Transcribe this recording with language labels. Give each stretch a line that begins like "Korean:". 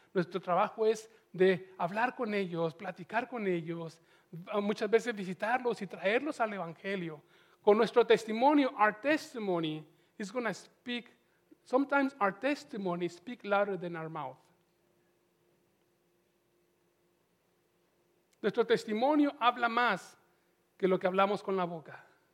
Spanish: Nuestro trabajo es de hablar con ellos, platicar con ellos, muchas veces visitarlos y traerlos al Evangelio. Con nuestro testimonio,
English: our testimony is going to speak, sometimes our testimony speaks louder than our mouth.
Spanish: Nuestro testimonio habla más que lo que hablamos con la boca.